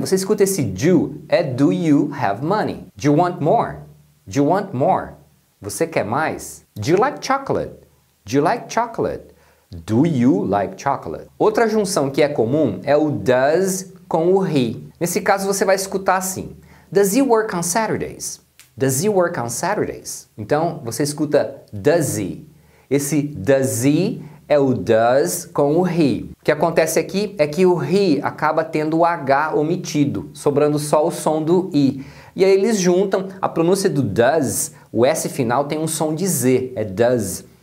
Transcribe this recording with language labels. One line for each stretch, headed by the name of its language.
Portuguese: Você escuta esse do, é
English: do you have money? Do you want more? Do you want more?
Portuguese: Você quer mais?
English: Do you like chocolate? Do you like chocolate? Do you like chocolate?
Portuguese: Outra junção que é comum é o does com o he. Nesse caso, você vai escutar assim.
English: Does he work on Saturdays? Does he work on Saturdays?
Portuguese: Então, você escuta does he. Esse does he é o does com o he. O que acontece aqui é que o he acaba tendo o H omitido, sobrando só o som do I. E aí eles juntam a pronúncia do does, o S final tem um som de Z, é does.